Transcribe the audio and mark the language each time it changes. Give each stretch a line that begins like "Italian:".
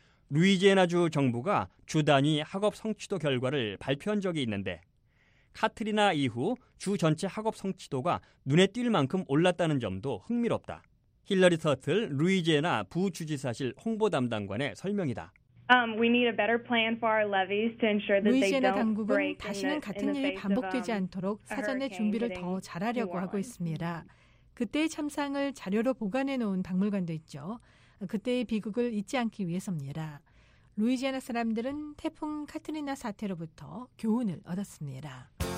Korean: 루이지애나주 정부가 주 단위 학업 성취도 결과를 발표한 적이 있는데 카트리나 이후 주 전체 학업 성취도가 눈에 띌 만큼 올랐다는 점도 흥미롭다. 힐러리 터틀 루이지애나 부주지사실 홍보 담당관의 설명이다.
English: We need a better plan for our levees to ensure that they don't break.
Korean: 루이지애나 당국은 다시는 같은 일이 반복되지 않도록 사전에 준비를 더 잘하려고 하고 있습니다. 그때의 참상을 자료로 보관해 놓은 박물관도 있죠. 그때의 비극을 잊지 않기 위해서입니다. 루이지애나 사람들은 태풍 카트리나 사태로부터 교훈을 얻었습니다.